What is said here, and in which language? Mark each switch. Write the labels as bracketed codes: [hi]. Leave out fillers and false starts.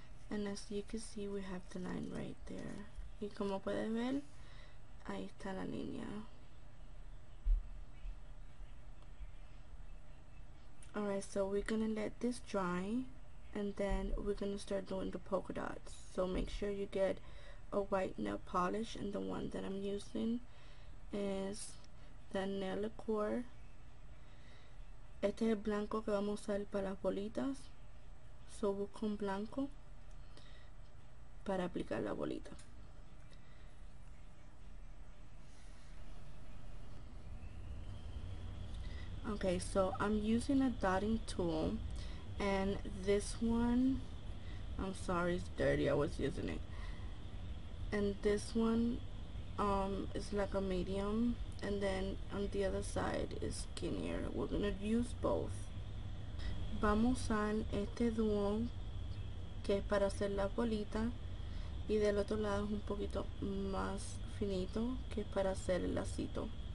[en] And as you can see, we have the line right there. [es] Y como puedes ver, ahí está la línea. [en] Alright, so we're going to let this dry. And then we're gonna start doing the polka dots. So make sure you get a white nail polish, and the one that I'm using is the nail liqueur. [es] Este es el blanco que vamos a usar para las bolitas. So busco un blanco para aplicar la bolita. [en] Okay, so I'm using a dotting tool. And this one, I'm sorry, it's dirty, I was using it. And this one is like a medium, and then on the other side is skinnier. We're gonna use both. [es] Vamos a usar este dúo, que es para hacer la bolita, y del otro lado es un poquito más finito, que es para hacer el lacito.